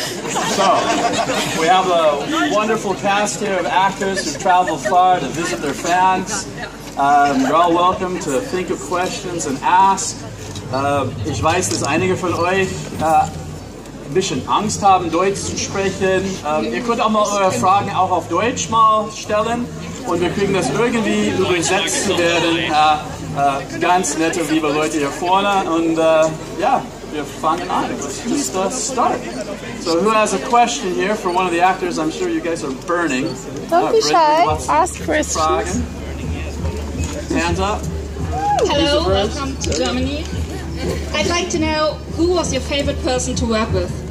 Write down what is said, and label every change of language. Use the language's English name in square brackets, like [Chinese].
[English] So, we have a wonderful cast here of actors who travel far to visit their fans. You're all welcome to think of questions and ask. [German] Ich weiß, dass einige von euch ein bisschen Angst haben, Deutsch zu sprechen. Ihr könnt auch mal eure Fragen auch auf Deutsch mal stellen und wir kriegen das irgendwie übersetzt zu werden. Ganz nette, liebe Leute hier vorne und ja. [English] We're fun and honest. Let's just start. So who has a question here for one of the actors? I'm sure you guys are burning. Don't be shy. Ask questions. Hands up. Hello, welcome to Germany. I'd like to know, who was your favorite person to work with?